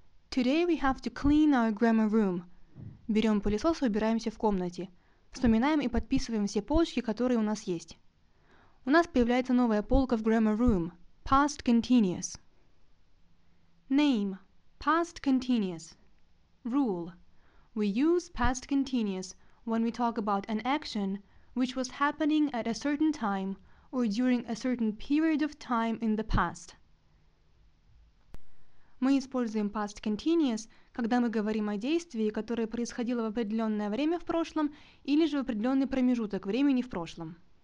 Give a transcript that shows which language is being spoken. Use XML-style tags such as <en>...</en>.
<en>Today we have to clean our grammar room.</en> <ru>Берем пылесос и убираемся в комнате. Вспоминаем и подписываем все полочки, которые у нас есть. У нас появляется новая полка в grammar room. Past continuous. Name.</ru> <en>Past continuous. Rule. We use past continuous when we talk about an action which was happening at a certain time or during a certain period of time in the past.</en> <ru>Мы используем past continuous, когда мы говорим о действии, которое происходило в определенное время в прошлом или же в определенный промежуток времени в прошлом.</ru>